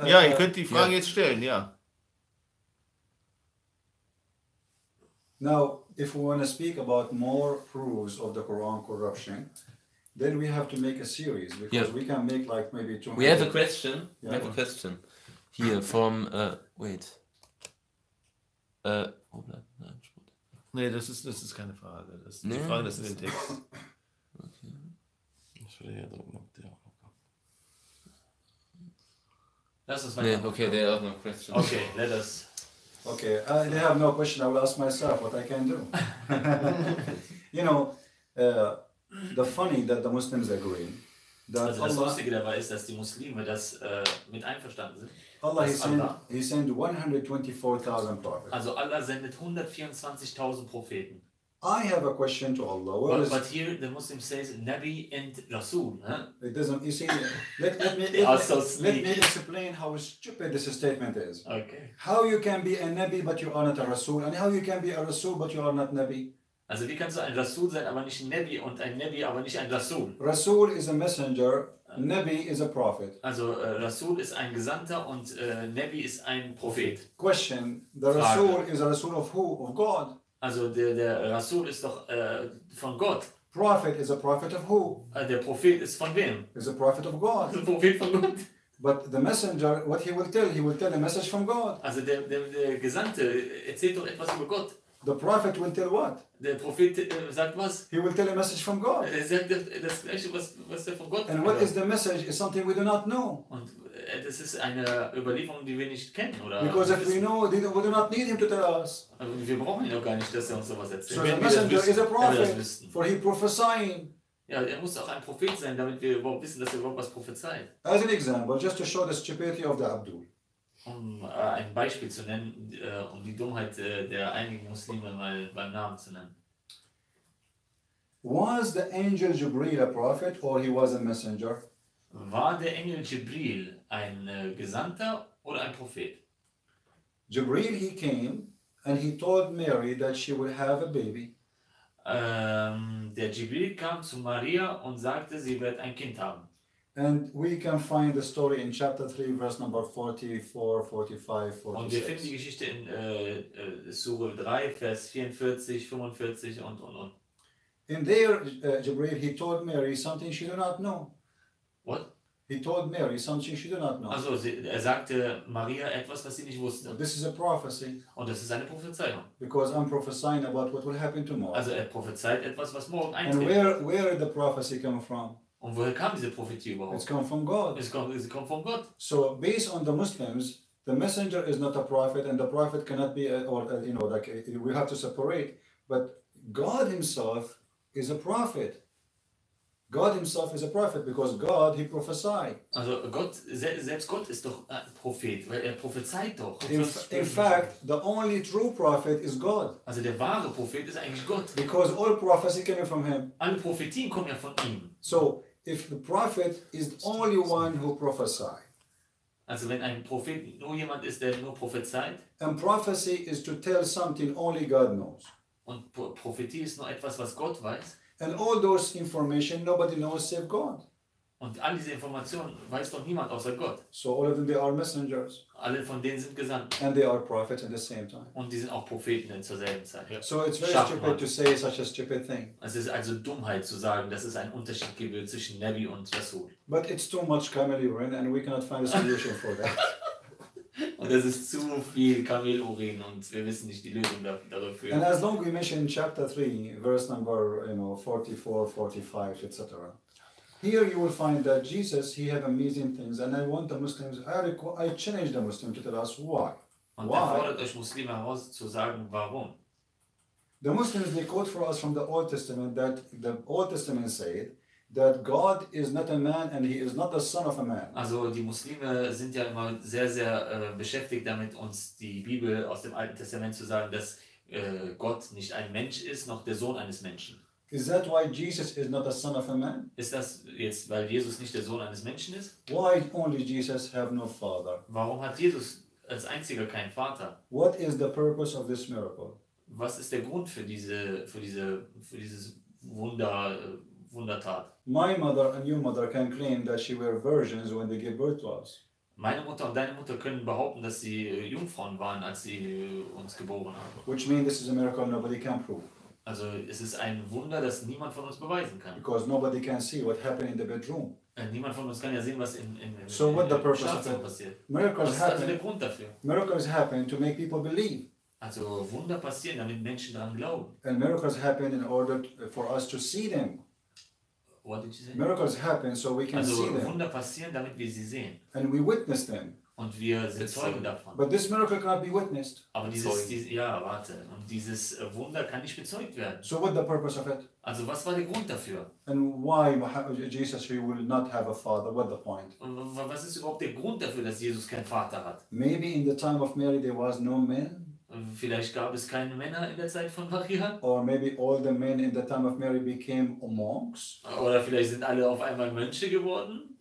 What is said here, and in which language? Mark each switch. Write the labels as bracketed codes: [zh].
[de] ja, ihr könnt die Fragen jetzt stellen, ja. [en] Now, if we want to speak about more proofs of the Quran corruption, then we have to make a series, because we can make like maybe 200. We have a question. Yeah, we have a question here from, wait. [de] Wo bleibt? Nein, Spruch. Nee, das ist keine Frage. Das ist die Frage, das ist in den Text. Okay. Ich würde hier drücken, ob der auch kommt. Lass uns weiter. [en] Nee, okay, there are no questions. Okay, let us. Okay, they have no question. I will ask myself what I can do. You know, the funny that the Muslims agree that [de] also Allah, das Lustige dabei ist, dass die Muslime das mit einverstanden sind. [en] Allah, he sent 124,000 prophets. [de] Also Allah sendet 124,000 Propheten. [en] I have a question to Allah. But here the Muslim says Nabi and Rasul. It doesn't, you see, let me explain how stupid this statement is. Okay. How you can be a Nabi but you are not a Rasul, and how you can be a Rasul but you are not Nabi? [de] Also wie kannst du ein Rasul sein, aber nicht ein Nabi, und ein Nabi, aber nicht ein Rasul? [en] Rasul is a messenger, Nabi is a prophet. [de] Also Rasul ist ein Gesandter und Nabi ist ein Prophet. [en] Question, the Rasul Frage. Is a Rasul of who? Of God. [de] Also der Rasul ist doch von Gott. [en] Prophet is a prophet of who? [de] Der Prophet ist von wem? [en] Is a prophet of God. [de] Prophet von Gott. [en] But the messenger, what he will tell a message from God. [de] Also der Gesandte erzählt doch etwas über Gott. [en] The prophet will tell what? [de] Der Prophet sagt was? [en] He will tell a message from God. [de] Er sagt das Gleiche, was er von Gott. [en] And what is the message? It's something we do not know. [de] Und das ist eine Überlieferung, die wir nicht kennen, oder? [en] Because if we know, we do not need him to tell us. [de] Wir brauchen ihn doch gar nicht, dass er uns sowas erzählt. [en] So the messenger is a prophet, for he prophesying. [de] Ja, er muss auch ein Prophet sein, damit wir überhaupt wissen, dass er überhaupt was prophezeit. [en] As an example, just to show the stupidity of the Abdul. [de] Um ein Beispiel zu nennen, um die Dummheit der einigen Muslime mal beim Namen zu nennen. [en] Was the angel Jibril a prophet or he was a messenger? [de] War der Engel Jibril ein Gesandter oder ein Prophet? [en] Jibril, he came and he told Mary that she will have a baby. [de] Der Jibril kam zu Maria und sagte, sie wird ein Kind haben. [en] And we can find the story in chapter 3, verse number 44, 45, 46. [de] Und wir finden die Geschichte in Sure 3, Vers 44, 45 und. [en] In there, Jibril, he told Mary something she did not know. What? He told Mary something she did not know. [de] Also, er sagte Maria etwas, was sie nicht wusste. [en] This is a prophecy. [de] Und das ist eine Prophezeiung. [en] Because I'm prophesying about what will happen tomorrow. [de] Also, er prophezeit etwas, was morgen eintritt. [en] And where did the prophecy come from? [de] Und woher kam diese Prophetie überhaupt? [en] It's come from God. It's come from God. So, based on the Muslims, the messenger is not a prophet, and the prophet cannot be, we have to separate. But God himself is a prophet. God himself is a prophet, because God, he prophesied. [de] Also, selbst Gott ist doch ein Prophet, weil er prophezeit doch. [en] In fact, the only true prophet is God. [de] Also, der wahre Prophet ist eigentlich Gott. [en] Because all prophecy came from him. [de] Alle Prophetien kommen ja von ihm. [en] So, if the prophet is the only one who prophesied. [de] Also, wenn ein Prophet nur jemand ist, der nur prophezeit. [en] And prophecy is to tell something only God knows. [de] Und Prophetie ist nur etwas, was Gott weiß. [en] And all those information nobody knows save God. [de] Und all diese Informationen weiß doch niemand außer Gott. [en] So all of them, they are messengers. [de] Alle von denen sind Gesandte. [en] And they are prophets at the same time. [de] Und die sind auch Propheten zur selben Zeit. [en] So it's very stupid to say such a stupid thing. [de] Es ist also Dummheit zu sagen, dass es einen Unterschied gibt zwischen Nabi und Rasul. [en] But it's too much Kamelurin and we cannot find a solution for that. [de] Und es ist zu viel Kamelurin und wir wissen nicht die Lösung dafür. [en] And as long we mention chapter 3, verse number 44, 45, etc. Here you will find that Jesus, he have amazing things, and I want the Muslims, I challenge the Muslims to tell us why. [de] Und er fordert euch Muslime heraus zu sagen, warum. [en] The Muslims, they quote for us from the Old Testament, that the Old Testament said, that God is not a man and he is not the son of a man. [de] Also die Muslime sind ja immer sehr, sehr beschäftigt damit, uns die Bibel aus dem Alten Testament zu sagen, dass Gott nicht ein Mensch ist, noch der Sohn eines Menschen. [en] Is that why Jesus is not the son of a man? [de] Ist das jetzt, weil Jesus nicht der Sohn eines Menschen ist? [en] Why only Jesus have no father? [de] Warum hat Jesus als einziger keinen Vater? [en] What is the purpose of this miracle? [de] Was ist der Grund für dieses Wundertat? [en] My mother and your mother can claim that she were virgins when they gave birth to us. [de] Meine Mutter und deine Mutter können behaupten, dass sie Jungfrauen waren, als sie uns geboren haben. [en] Which means this is a miracle nobody can prove. [de] Also es ist ein Wunder, das niemand von uns beweisen kann. [en] Because nobody can see what happened in the bedroom. [de] Niemand von uns kann ja sehen, was in [en] so what the purpose of it? Miracles happen. [de] Also der Grund dafür. [en] Miracles happen to make people believe. [de] Also Wunder passieren, damit Menschen daran glauben. [en] And miracles happen in order for us to see them. What did you say? Miracles happen so we can see them. [de] Also Wunder passieren, damit wir sie sehen. [en] And we witness them. [de] Und wir sind Zeugen davon. [en] But this miracle cannot be witnessed. [de] Aber dieses Wunder kann nicht bezeugt werden. [en] So what the purpose of it? [de] Also was war der Grund dafür? [en] And why Jesus he will not have a father? What the point? [de] Und was ist überhaupt der Grund dafür, dass Jesus keinen Vater hat? [en] Maybe in the time of Mary there was no man. [de] Vielleicht gab es keine Männer in der Zeit von Maria. [en] Or maybe all the men in the time of Mary became monks. [de] Oder vielleicht sind alle auf einmal Mönche geworden.